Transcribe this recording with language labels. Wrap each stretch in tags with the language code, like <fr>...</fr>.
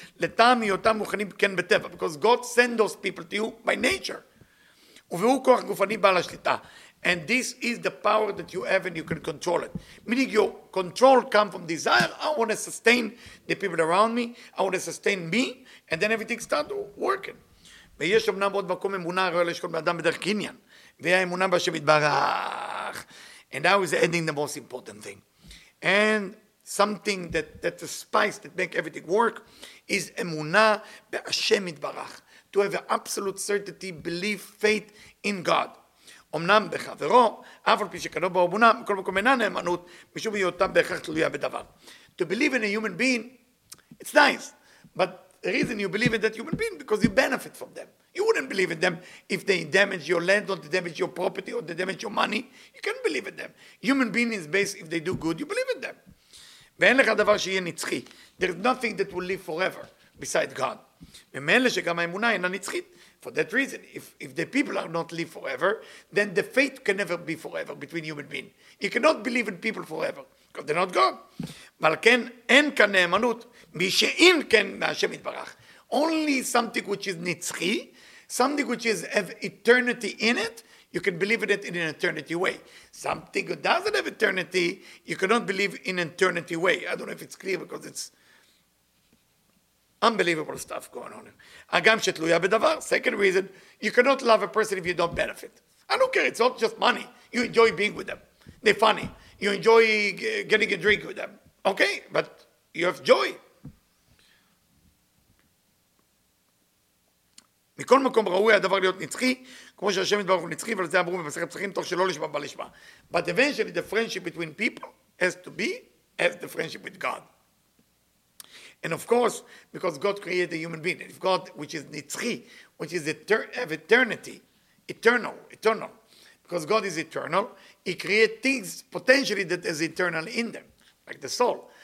<en>Because God sent those people to you by nature. And this is the power that you have and you can control it. Meaning your control comes from desire. I want to sustain the people around me. I want to sustain me. And then everything starts working.</en> <he>ויש אמנם עוד מקום אמונה הרואה לשכון באדם בדרך קניין. והיה אמונה בשם יתברך.</he> <en>And now is ending the most important thing. And something that the spice that make everything work is</en> <he>אמונה בהשם יתברך.</he> <en>To have an absolute certainty, belief, faith in God.</en> <he>אמנם בחברו, אף על פי שכנו באמונה, מכל מקום אינה נאמנות, משום היותם בהכרח תלויה בדבר.</he> <en>To believe in a human being, it's nice. But the reason you believe in that human being, because you benefit from them. You wouldn't believe in them if they damage your land, or they damage your property, or they damage your money. You can't believe in them. Human being is based, if they do good, you believe in them.</en> <he>ואין לך דבר שיהיה נצחי.</he> <en>There is nothing that will live forever beside God.</en> <he>ומאלה שגם האמונה אינה נצחית.</he> <en>For that reason, if the people are not live forever, then the faith can never be forever between human beings. You cannot believe in people forever, because they're not God.</en> <he>ועל כן, אין כאן נאמנות, מי שאין כן מהשם יתברך.</he> <en>Only something which is נצחי, something which is have eternity in it, you can believe in it in an eternity way. Something that doesn't have eternity, you cannot believe in an eternity way. I don't know if it's clear because it's unbelievable stuff going on.</en> <he>אגם שתלויה בדבר,</he> <en>second reason, you cannot love a person if you don't benefit. I don't care, it's not just money. You enjoy being with them. They're funny. You enjoy getting a drink with them. Okay, but you have joy.</en> <he>מכל מקום ראוי הדבר להיות נצחי, כמו שהשם יתברך הוא נצחי, ועל זה אמרו במסכת פסחים, תוך שלא לשמה בלשמה.</he> <en>But eventually the friendship between people has to be as the friendship with God. And of course, because God created a human being, and if God, which is נצחי, which is of eternity, eternal, because God is eternal, he creates things potentially that is eternal in them, like the soul.</en>